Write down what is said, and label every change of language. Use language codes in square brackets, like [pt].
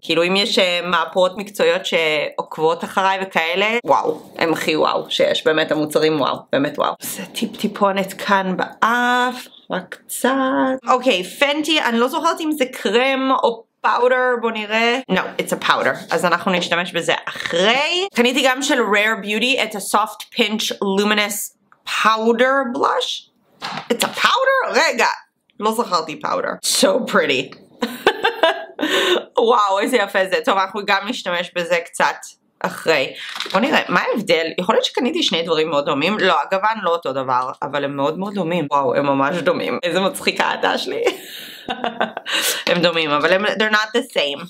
[he] כאילו אם יש מאפרות מקצועיות שעוקבות אחריי וכאלה, וואו, הם הכי וואו שיש, באמת המוצרים וואו, באמת וואו. זה טיפ טיפונת כאן באף, רק קצת. אוקיי, פנטי, אני לא זוכרת אם זה קרם או פאודר, בוא נראה. [en] No, it's a powder. [he] אז אנחנו נשתמש בזה אחרי. קניתי גם של Rare Beauty את ה-Soft Pinch Luminous Powder Blush. [en] It's a powder? [he] רגע, לא זכרתי powder. [en] So pretty. [he] וואו, איזה יפה זה. טוב, אנחנו גם נשתמש בזה קצת אחרי. בוא נראה, מה ההבדל? יכול להיות שקניתי שני דברים מאוד דומים. לא, הגוון לא אותו דבר, אבל הם מאוד מאוד דומים. וואו, הם ממש דומים. איזה מצחיקה אתה שלי. הם דומים, אבל הם, [en] they're not the same.